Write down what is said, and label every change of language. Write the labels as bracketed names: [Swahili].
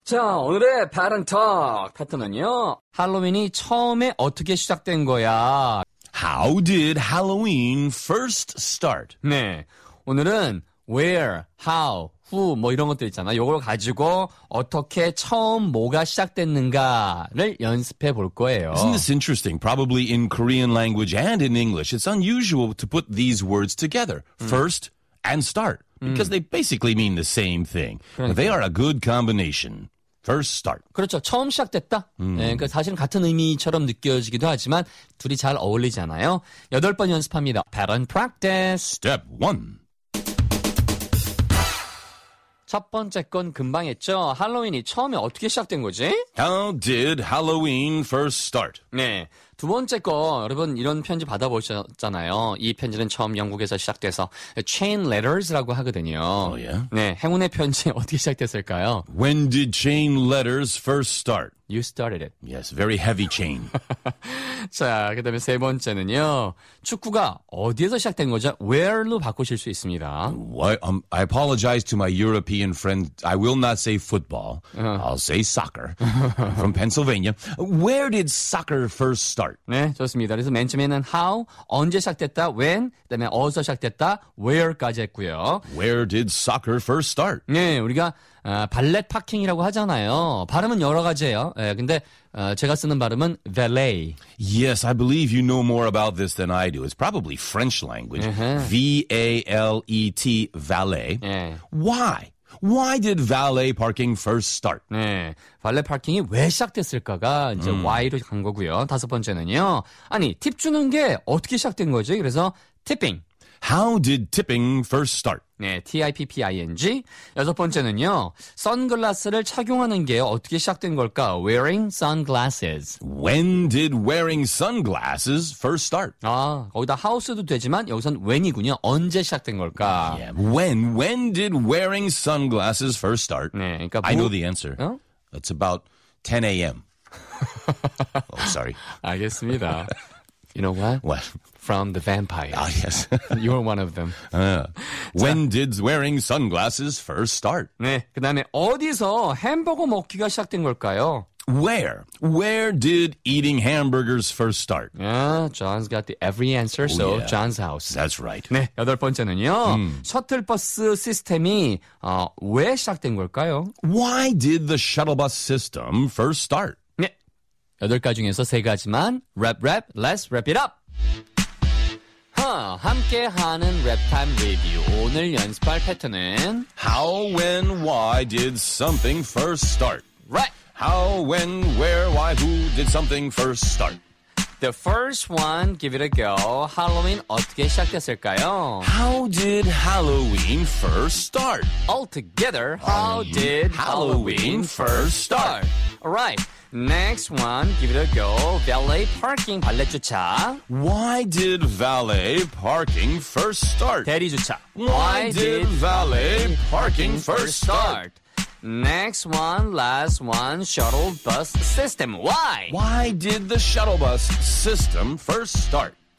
[Korean] 자, 오늘의 바른톡 패턴은요. 할로윈이 처음에 어떻게 시작된 거야? [English] How did Halloween first start? [Korean] 네, 오늘은 where, how, who 뭐 이런 것들 있잖아. 이걸 가지고 어떻게 처음 뭐가 시작됐는가를 연습해 볼 거예요. [English] Isn't this interesting? Probably in Korean language and in English, it's unusual to put these words together. First and start. Because they basically mean the same thing. [Korean] 그러니까. [English] They are a good combination. First start. [Korean] 그렇죠. 처음 시작됐다. 네, 그러니까 사실은 같은 의미처럼 느껴지기도 하지만 둘이 잘 어울리잖아요. 여덟 번 연습합니다. [English] Pattern practice. Step one. [Korean] 첫 번째 건 금방 했죠. 할로윈이 처음에 어떻게 시작된 거지? [English] How did Halloween first start? [Korean] 네. 두 번째 거 여러분 이런 편지 받아보셨잖아요. 이 편지는 처음 영국에서 시작돼서 chain letters라고 하거든요. [English] Oh, yeah? [Korean] 네, 행운의 편지 어떻게 시작됐을까요? [English] When did chain letters first start? You started it. Yes, very heavy chain. [Korean] 자, 그 다음에 세 번째는요. 축구가 어디에서 시작된 거죠? Where로 바꾸실 수 있습니다. [English] I apologize to my European friend. I will not say football. I'll say soccer. From Pennsylvania. Where did soccer first start? [Korean] 네, 좋습니다. 그래서 맨 처음에는 how, 언제 시작됐다, when, 그 다음에 어디서 시작됐다, where까지 했고요. [English] Where did soccer first start? [Korean] 네, 우리가 발렛 파킹이라고 하잖아요. 발음은 여러 가지예요. 예, 근데 제가 쓰는 발음은 valet. [English] Yes, I believe you know more about this than I do. It's probably French language. Uh-huh. V-A-L-E-T, valet. [Korean] 네. [English] Why? Why did valet parking first start? [Korean] 네, 발렛 파킹이 왜 시작됐을까가 이제 why로 간 거고요. 다섯 번째는요. 아니, 팁 주는 게 어떻게 시작된 거지? 그래서 tipping. [English] How did tipping first start? [Korean] 네, T-I-P-P-I-N-G. 여섯 번째는요. 선글라스를 착용하는 게 어떻게 시작된 걸까? [English] Wearing sunglasses. When did wearing sunglasses first start? [Korean] 아, 거기다 how도 되지만 여기선 when이군요. 언제 시작된 걸까? [English] Yeah, when. When did wearing sunglasses first start? [Korean] 네, 그러니까 [English] I know the answer. [Korean] 어? [English] It's about 10 a.m. Oh, sorry. [Korean] 알겠습니다. [English] You know what? What? From the vampires. Ah, yes. You're one of them. When did wearing sunglasses first start? [Korean] 네, 그 다음에 어디서 햄버거 먹기가 시작된 걸까요? [English] Where? Where did eating hamburgers first start? Yeah, John's got the every answer, so yeah. John's house. That's right. [Korean] 네, 여덟 번째는요. 셔틀버스 시스템이 왜 시작된 걸까요? [English] Why did the shuttle bus system first start? [Korean] 네, 여덟 가지 중에서 세 가지만 [English] wrap, wrap, let's wrap it up. [Korean] 함께하는 랩타임 리뷰. 오늘 연습할 패턴은 [English] How, when, why did something first start? Right. How, when, where, why, who did something first start? The first one, give it a go. [Korean] Halloween 어떻게 시작됐을까요? [English] How did Halloween first start? All together, how did Halloween first start? All right. Next one, give it a go. Valet parking, [Korean] 발렛 주차. [English] Why did valet parking first start? [Korean] 대리 주차. [English] Why did valet parking first start? Next one, last one, shuttle bus system. Why? Why did the shuttle bus system first start?